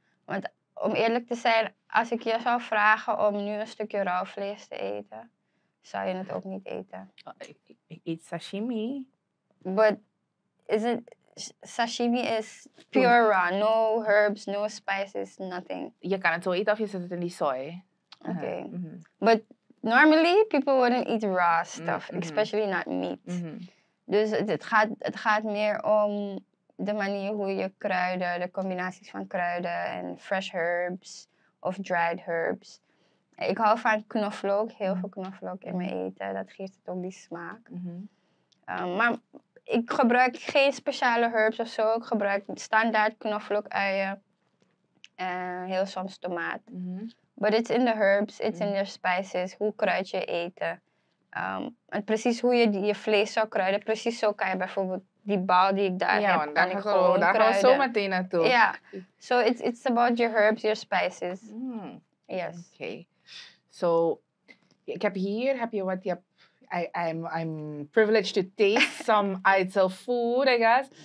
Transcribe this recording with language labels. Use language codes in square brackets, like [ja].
[nl] Want om eerlijk te zijn, als ik je zou vragen om nu een stukje rauw vlees te eten, zou je het ook niet eten. Ik eet sashimi. [en] But is it, sashimi is pure raw. No herbs, no spices, nothing. [nl] Je kan het zo eten of je zet het in die soy. Oké. Okay. Mm-hmm. [en] But normally people wouldn't eat raw stuff, mm-hmm. especially not meat. Mm-hmm. [nl] Dus het gaat meer om de manier hoe je kruiden, de combinaties van kruiden en [en] fresh herbs [nl] of [en] dried herbs. [nl] Ik hou van knoflook, heel veel knoflook in mijn eten. Dat geeft het ook die smaak. Mm-hmm. Maar ik gebruik geen speciale herbs of zo. Ik gebruik standaard knoflook, uien en heel soms tomaat. Mm-hmm. [en] But it's in the herbs, it's mm-hmm. in your spices, [nl] hoe kruid je eten. En precies hoe je je vlees zou kruiden, precies zo kan je bijvoorbeeld die bal die ik daar heb, kan ik gewoon kruiden. Daar gaan we zo meteen naartoe. [en] Ja, yeah. So it's about your herbs, your spices. Mm. Yes. Oké. Okay. So, [nl] ik heb hier, heb je wat, je hebt, [en] I'm privileged to taste some Itzel food, I guess.